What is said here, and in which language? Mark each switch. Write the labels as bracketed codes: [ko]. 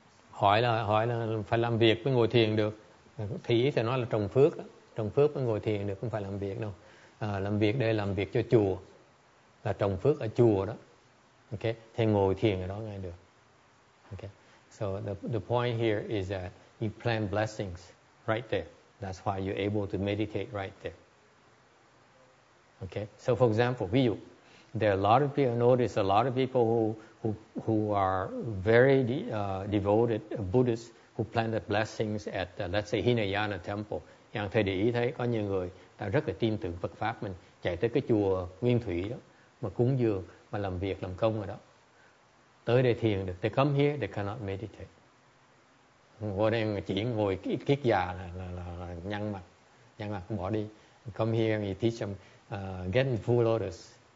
[vi] Hỏi là phải làm việc mới ngồi thiền được. Thì ý thì nói là trồng phước. Trồng phước mới ngồi thiền được, không phải làm việc đâu. Làm việc đây làm việc cho chùa. Là trồng phước ở chùa đó. Okay? Thì ngồi thiền ở đó ngay được. [en] Okay? So the point here is that you plant blessings right there. That's why you're able to meditate right there. Okay? So for example, notice a lot of people who are very devoted Buddhists who planted blessings at let's say Hinayana temple. [vi] Nhưng thầy để ý thấy có nhiều người ta rất là tin tưởng Phật pháp mình, chạy tới cái chùa Nguyên Thủy đó mà cúng dường, mà làm việc làm công ở đó. Tới đây thiền được. [en] They come here, they cannot meditate. [vi] Vô đây chỉ ngồi kiết già là nhăn mặt bỏ đi. [en] Come here and you teach them getting full lotus.